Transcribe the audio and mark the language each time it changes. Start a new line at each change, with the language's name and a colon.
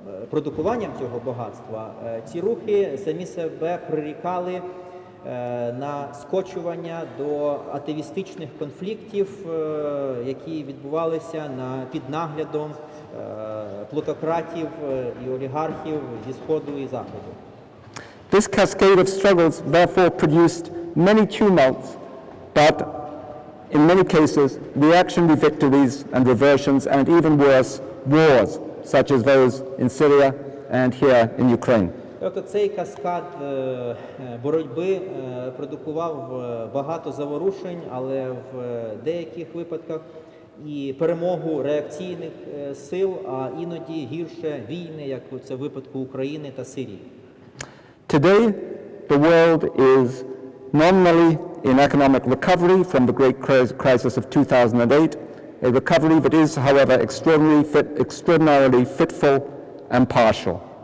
Ukrainian: продукуванням цього багатства, ці рухи самі себе прирікали на скочування до атеїстичних конфліктів, які відбувалися на під наглядом плутократів і олігархів зі Сходу і Заходу.
English: This cascade of struggles therefore produced many tumults, but in many cases, reactionary victories and reversions, and even worse, wars, such as those in Syria and here in Ukraine.
Ukrainian: Тобто цей каскад боротьби продукував багато заворушень, але в деяких випадках і перемогу реакційних сил, а іноді гірше війни, як у це випадку України та Сирії.
English: Today, the world is nominally in economic recovery from the great crisis of 2008, a recovery that is, however, extraordinarily fitful and partial.